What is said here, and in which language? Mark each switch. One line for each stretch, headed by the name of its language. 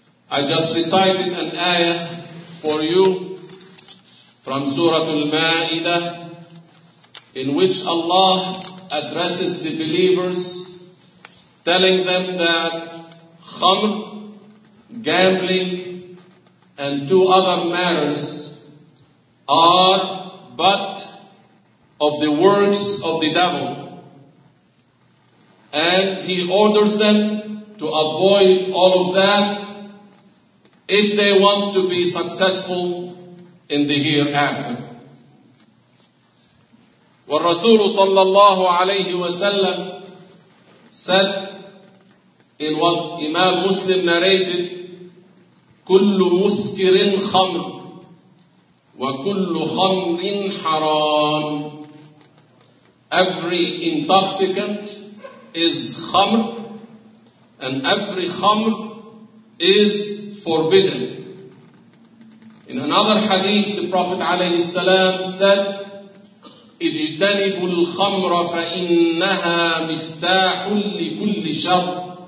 English: I just recited an ayah for you from Surah Al-Ma'idah, in which Allah addresses the believers, telling them that khamr, gambling, and two other matters are but of the works of the devil. And he orders them to avoid all of that if they want to be successful in the hereafter.
Arabic: والرسول صلى الله عليه وسلم
English: said, in what Imam Muslim narrated,
Arabic: كُلُّ مُسْكِرٍ خَمْرٍ وَكُلُّ خَمْرٍ حَرَامٍ.
English: Every intoxicant is khamr, and every khamr is forbidden. In another hadith, the Prophet ﷺ said,
Arabic: اِجْتَنِبُوا الْخَمْرَ فَإِنَّهَا مِفْتَاحٌ لِكُلِّ شَرٍ.